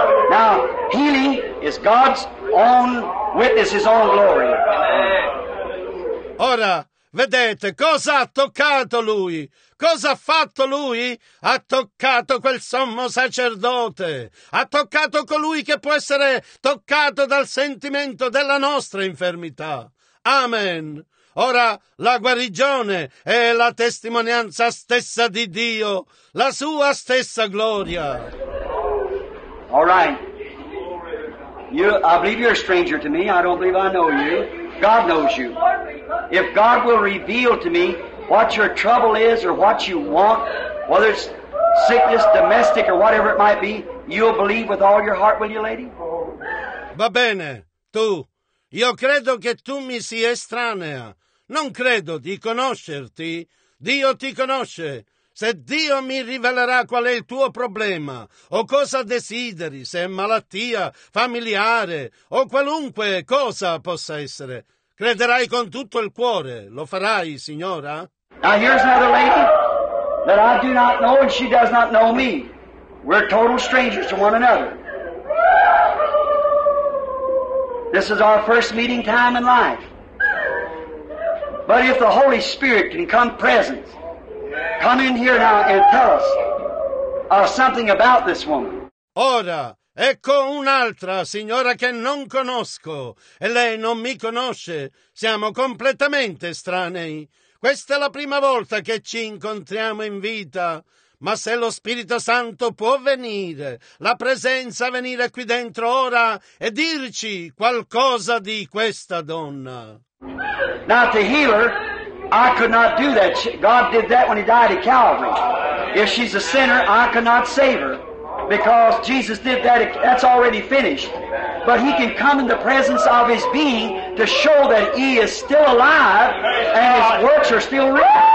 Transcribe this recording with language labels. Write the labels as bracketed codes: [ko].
[en] Now, healing is God's own witness, his own glory. [it] Ora, vedete, cosa ha toccato lui? Cosa ha fatto lui? Ha toccato quel sommo sacerdote. Ha toccato colui che può essere toccato dal sentimento della nostra infermità. Amen. Ora, la guarigione è la testimonianza stessa di Dio, la sua stessa gloria. [en] All right. You, I believe you're a stranger to me. I don't believe I know you. God knows you. If God will reveal to me what your trouble is or what you want, whether it's sickness, domestic, or whatever it might be, you'll believe with all your heart, will you, lady? [it] Va bene, tu. Io credo che tu mi sia estranea. Non credo di conoscerti. Dio ti conosce. Se Dio mi rivelerà qual è il tuo problema, o cosa desideri, se è malattia, familiare, o qualunque cosa possa essere... Crederai con tutto il cuore, lo farai, signora? [en] Now here's another lady that I do not know and she does not know me. We're total strangers to one another. This is our first meeting time in life. But if the Holy Spirit can come present, come in here now and tell us something about this woman. [it] Ora! Ecco un'altra signora che non conosco e lei non mi conosce. Siamo completamente estranei. Questa è la prima volta che ci incontriamo in vita. Ma se lo Spirito Santo può venire, la presenza venire qui dentro ora e dirci qualcosa di questa donna. [en] Now to heal her, I could not do that. God did that when he died at Calvary. If she's a sinner, I could not save her. Because Jesus did that, that's already finished. But he can come in the presence of his being to show that he is still alive and his works are still real.